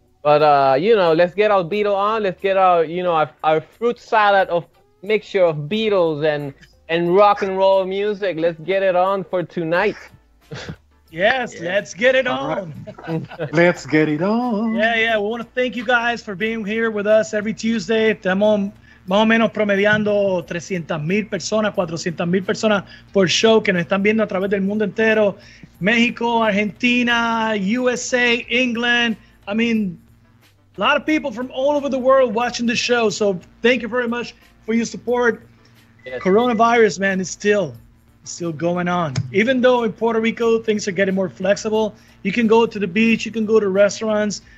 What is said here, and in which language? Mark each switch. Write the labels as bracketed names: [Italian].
[English] But, you know, let's get our Beatle on. Let's get our, you know, our fruit salad of mixture of Beatles and rock and roll music. Let's get it on for tonight. Yes, let's get it on. Right. Let's get it on. Yeah. We want to thank you guys for being here with us every Tuesday. [Spanish] Estamos más o menos promediando 300,000 personas, 400,000 personas por show que nos están viendo a través del mundo entero. México, Argentina, USA, England. [English] I mean, a lot of people from all over the world watching the show. So thank you very much for your support. Yes. Coronavirus, man, is still going on. Even though in Puerto Rico things are getting more flexible, you can go to the beach, you can go to restaurants.